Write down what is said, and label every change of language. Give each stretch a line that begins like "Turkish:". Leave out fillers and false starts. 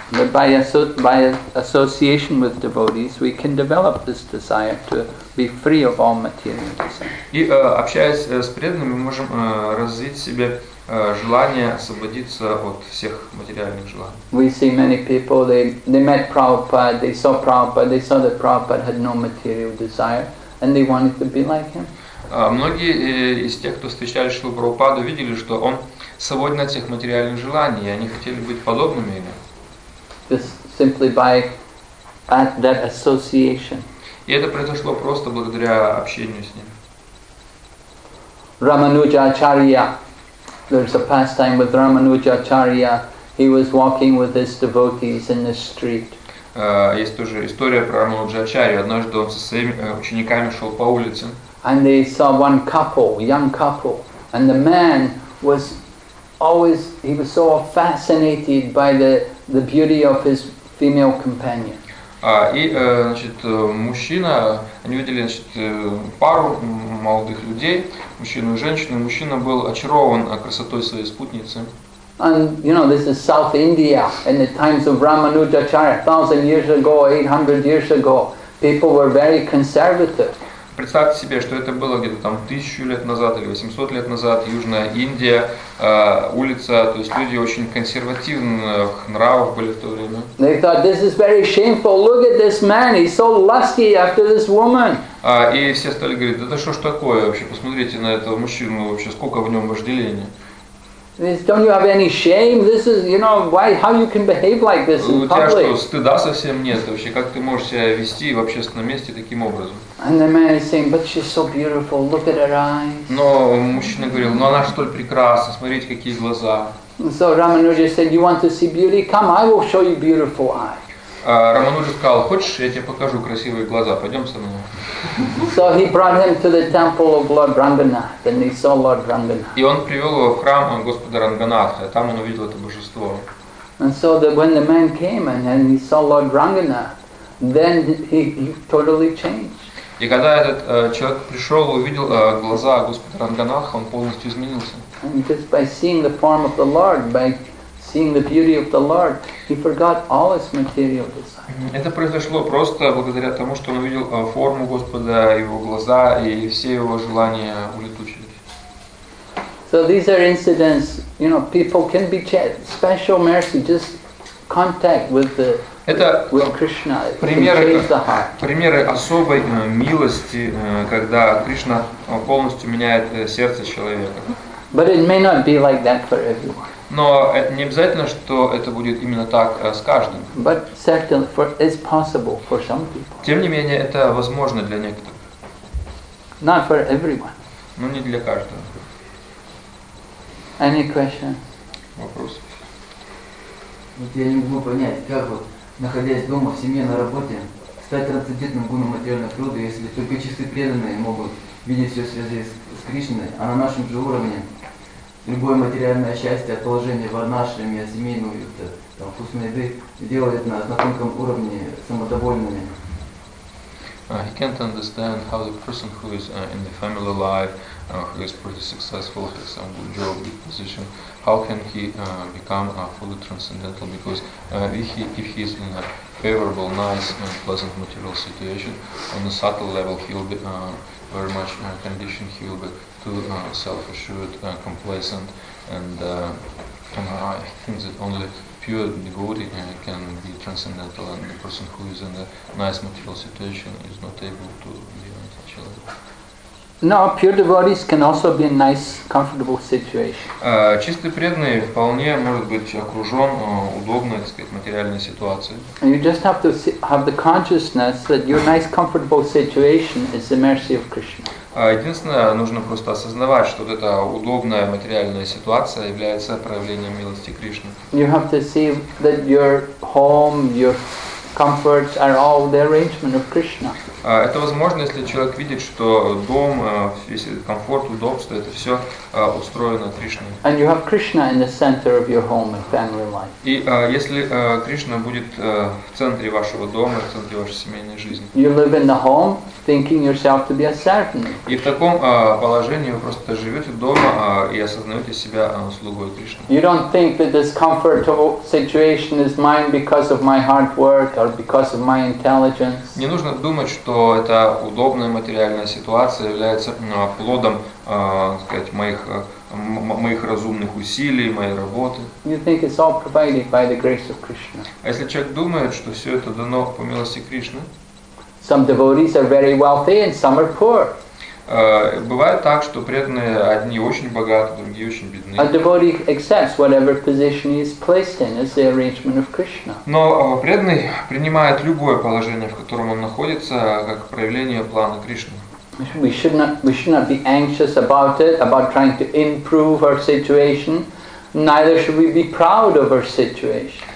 English: But by association with devotees, we can develop this desire to be free of all material desires.
Russian: И общаясь с преданными, мы можем развить себе желание освободиться от всех материальных желаний.
English: We see many people, they met Prabhupada, they saw Prabhupada, they saw that Prabhupada had no material desire, and they wanted to be like him.
Russian: Многие из тех, кто встречали Шрилу Прабхупаду, видели, что он свободен от всех материальных желаний, и они хотели быть подобными ему.
English: Just simply by that association.
Russian: И это произошло просто благодаря общению с ним. Рамануджа Ачарья.
English: There's a pastime with Рамануджа Ачарья. He was walking with his devotees in the street.
Russian: Есть тоже история про Рамануджа Ачарью. Однажды он со своими учениками шел по улице.
English: And they saw one couple, young couple, and the man was always, he was so fascinated by the beauty of his female companion.
Russian: Значит, мужчина, они видели, значит, пару молодых людей, мужчину и женщину, и мужчина был очарован красотой своей спутницы.
English: And, you know, this is South India, in the times of Рамануджа Ачарья, 1,000 years ago, 800 years ago, people were very conservative.
Russian: Представьте себе, что это было где-то там 1000 лет назад или 800 лет назад, Южная Индия, улица, то есть люди очень консервативных нравов были в то время.
English: They thought, this is very shameful, look at this man, he's so lusty after this woman.
Russian: И все стали говорить, да это что ж такое вообще, посмотрите на этого мужчину вообще, сколько в нем вожделения.
English: Don't you have any shame? This is, you know, why? How you can behave like this in public?
Russian: У тебя что, стыда совсем нет вообще? Как ты можешь себя вести в общественном месте таким образом?
English: And the man is saying, but she's so beautiful. Look at her eyes.
Russian: Но мужчина говорил, но она столь прекрасна. Смотрите, какие глаза.
English: So Ramanuja said, you want to see beauty? Come, I will show you beautiful eyes.
Russian: Рамануджа сказал, хочешь, я тебе покажу красивые глаза, пойдем со мной.
English: So he brought him to the temple of Lord Ranganath, then he saw Lord Ranganath.
Russian: И он привел его в храм Господа Ранганатха, там он увидел это божество.
English: And so that when the man came and he saw Lord Ranganath, then he totally changed.
Russian: И когда этот человек пришел и увидел глаза Господа Ранганатха, он полностью изменился.
English: And just by seeing the form of the Lord, by seeing the beauty of the Lord, he forgot all his material desires.
Russian: Это произошло просто благодаря тому, что он увидел форму Господа, его глаза и все его желания улетучились.
English: So these are incidents, you know, people can be special mercy, just contact with the with Krishna.
Russian: Примеры особой милости, когда Кришна полностью меняет сердце человека.
English: But it may not be like that for everyone.
Russian: Но это не обязательно, что это будет именно так с каждым.
English: But certainly for, it's possible for some people.
Russian: Тем не менее, это возможно для некоторых.
English: Not for everyone.
Russian: Но не для каждого.
English: Any question?
Russian: Вопрос. Вот я не могу понять, как вот, находясь дома, в семье, на работе, стать трансцендентным гуну материального природы, если только чистые преданные могут видеть все в связи с Кришной, а на нашем же уровне любое материальное счастье, положение в анашраме, семейную, там, вкусной еды, делает нас на тонком уровне самодовольными.
English: He can't understand how the person who is in the family life, who is pretty successful, has some good job, good position, how can he become fully transcendental? Because if he is in a favorable, nice, and pleasant material situation, on a subtle level, he will be very much conditioned. He will be too self-assured, complacent, and I think that only pure devotee can be transcendental, and the person who is in a nice material situation is not able to be an ideal. No, pure devotees can also be in nice, comfortable situation.
Russian: Чистый преданный вполне может быть окружен удобной, так сказать, материальной ситуацией.
English: You just have to have the consciousness that your nice, comfortable situation is the mercy of Krishna.
Russian: Единственное, нужно просто осознавать, что вот эта удобная материальная ситуация является проявлением милости Кришны.
English: You have to see that your home, your comforts are all the arrangement of Krishna.
Russian: Это возможно, если человек видит, что дом, весь этот комфорт, удобство, это все устроено Кришной.
English: And you have Krishna in the center of your home and family life.
Russian: И если Кришна будет в центре вашего дома, в центре вашей семейной жизни.
English: You live in the home, thinking yourself to be a servant.
Russian: И в таком положении вы просто живете дома и осознаете себя слугой Кришны.
English: You don't think that this comfortable situation is mine because of my hard work or because of my intelligence.
Russian: Не нужно думать, что эта удобная материальная ситуация является плодом, так сказать, моих разумных усилий, моей работы.
English: You think it's all provided by the grace of Krishna.
Russian: А если человек думает, что все это дано по милости Кришны?
English: Some devotees are very wealthy and some are poor.
Russian: Бывает так, что преданные одни очень богаты, другие очень бедны.
English: A devotee accepts whatever position he is placed in as the arrangement of Krishna.
Russian: Но преданный принимает любое положение, в котором он находится, как проявление плана Кришны.
English: We should not be anxious about it, about trying to improve our situation. Neither should we be proud of our situation.